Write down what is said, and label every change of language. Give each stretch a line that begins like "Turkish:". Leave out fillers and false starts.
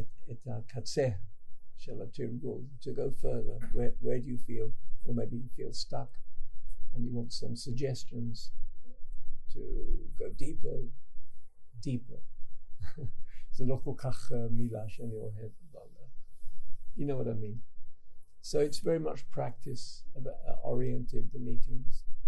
Hebrew: את הקצה של התרגול,
English: to go further, where do you feel, or maybe you feel stuck and you want some suggestions to go deeper.
Hebrew: זה לא כל כך מילה שאני אוהב,
English: but you know what I mean. So it's very much practice oriented, the meetings.